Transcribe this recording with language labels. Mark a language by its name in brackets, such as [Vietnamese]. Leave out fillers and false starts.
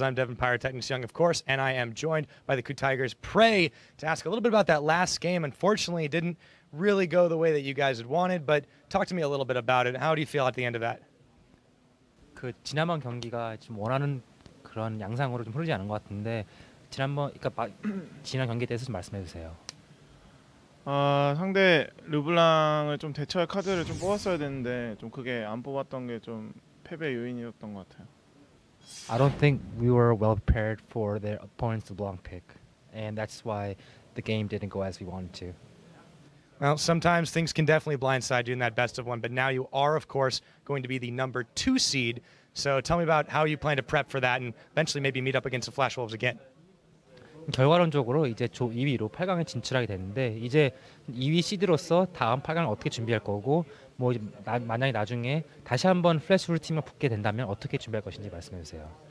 [English] I'm Devin Pyrotechnics Young, of course, and I am joined by the Ku Tigers. Prey, to ask a little bit about that last game. Unfortunately, it didn't really go the way that you guys had wanted, but talk to me a little bit about it. How do you feel at the end of that? [Korean] 그 지난번 경기가 좀 원하는 그런 양상으로 좀 흐르지 않은 것 같은데 지난번 그러니까 지난 경기 때 대해서 좀 말씀해 주세요. 상대 르블랑을 좀 대처할 카드를 좀 뽑았어야 되는데 좀 그게 안 뽑았던 게 좀 패배 요인이었던 것 같아요. [English] I don't think we were well prepared for their opponent's LeBlanc pick, and that's why the game didn't go as we wanted to. Well, sometimes things can definitely blindside you in that best of one, but now you are, of course, going to be the number two seed. So tell me about how you plan to prep for that and eventually maybe meet up against the Flash Wolves again. [Korean] 결과론적으로 이제 조 2위로 8강에 진출하게 됐는데 이제 2위 시드로서 다음 8강을 어떻게 준비할 거고 뭐 만약에 나중에 다시 한번 플래시 홀 팀을 붙게 된다면 어떻게 준비할 것인지 말씀해 주세요.